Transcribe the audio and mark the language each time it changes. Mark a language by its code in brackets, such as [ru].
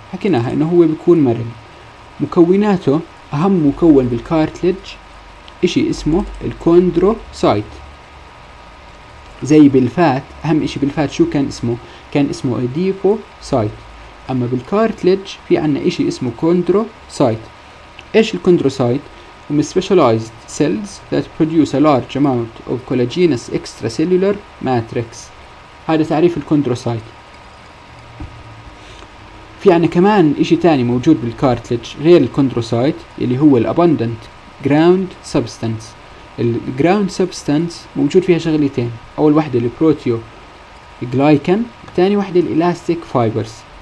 [ar] حكيناها انه هو بيكون مرن. مكوناته، اهم مكون بالكارتليج اشي اسمه الكوندروسايت. زي بالفات، اهم اشي بالفات شو كان اسمه؟ كان اسمه اديبوسايت. اما بالكارتليج في عنا اشي اسمه كوندروسايت. ايش الكوندروسايت؟ هم [en] specialized cells that produce a large amount of collagenous extracellular matrix. [ar] هذا تعريف الكوندروسايت. في عنا كمان اشي تاني موجود بالكارتليج غير الكوندروسايت، اللي هو الابندنت جراوند سبستنس. الجراوند سبستنس موجود فيها شغلتين، اول واحدة البروتيو جلايكن، تاني واحدة الالاستيك فايبرز.